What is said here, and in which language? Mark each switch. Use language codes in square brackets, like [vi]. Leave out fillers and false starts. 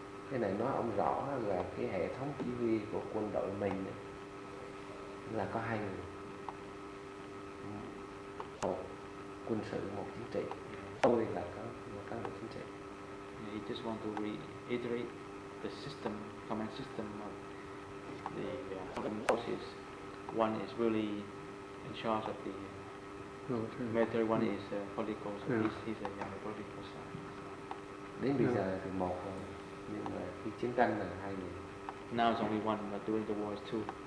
[vi] Cái này nói ông rõ là cái hệ thống chỉ huy của quân đội mình ấy, là có hai người, một quân sự, một chính trị. Tôi là có một cán bộ chính trị. [en] He just want to reiterate the system, command system of the forces. One is really in charge of the military. One is political. So he's a political side. [vi] Đến bây giờ thì một rồi. Nhưng mà khi chiến tranh là hai người. [en] Now it's only one, but during the war is two.